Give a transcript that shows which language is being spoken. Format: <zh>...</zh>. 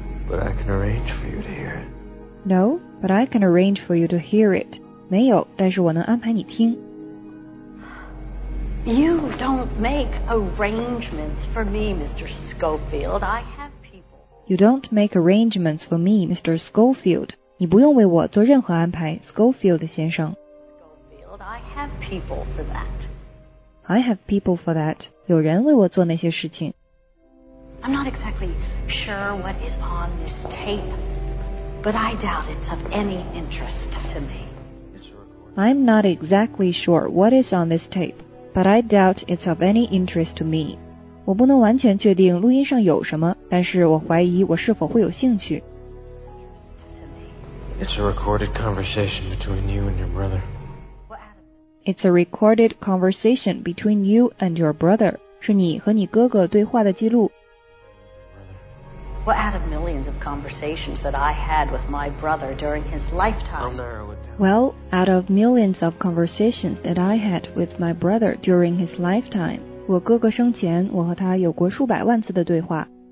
<en>But I can arrange for you to hear it. No, but I can arrange for you to hear it.</en> <zh>没有，但是我能安排你听。</zh> <en>You don't make arrangements for me, Mr. Schofield. I have people. You don't make arrangements for me, Mr. Schofield.</en> <zh>你不用为我做任何安排</zh> <en>,Schofield</en> <zh>先生。</zh> <en>Schofield, I have people for that. I have people for that.</en> <zh>有人为我做那些事情。</zh> <en>I'm not exactly sure what is on this tape, but I doubt it's of any interest to me. I'm not exactly sure what is on this tape. But I doubt it's of any interest to me.</en> <zh>我不能完全确定录音上有什么，但是我怀疑我是否会有兴趣。</zh> <en>It's a recorded conversation between you and your brother. It's a recorded conversation between you and your brother.</en> <zh>是你和你哥哥对话的记录。</zh> <en>Well, out of millions of conversations that I had with my brother during his lifetime. I'll narrow it down. Well, out of millions of conversations that I had with my brother during his lifetime.</en> <zh>我哥哥生前，我和他有过数百万次的对话。</zh>